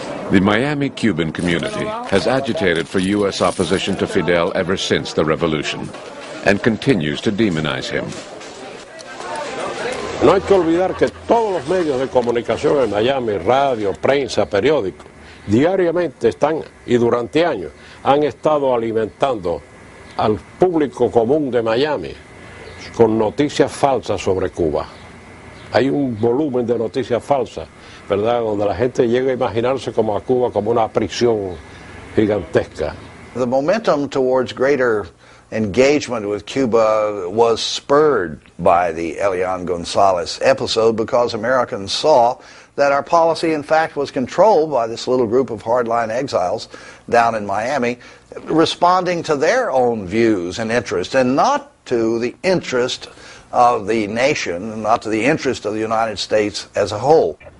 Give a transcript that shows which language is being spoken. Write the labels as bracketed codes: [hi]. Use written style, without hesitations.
[en] The Miami Cuban community has agitated for U.S. opposition to Fidel ever since the revolution, and continues to demonize him. [es] No hay que olvidar que todos los medios de comunicación en Miami, radio, prensa, periódico, diariamente están y durante años han estado alimentando al público común de Miami con noticias falsas sobre Cuba. Hay un volumen de noticias falsas, ¿verdad?, donde la gente llega a imaginarse como a Cuba como una prisión gigantesca. [en] The momentum towards greater engagement with Cuba was spurred by the Elian Gonzalez episode because Americans saw that our policy, in fact, was controlled by this little group of hardline exiles down in Miami, responding to their own views and interests and not to the interest of the nation, not to the interest of the United States as a whole.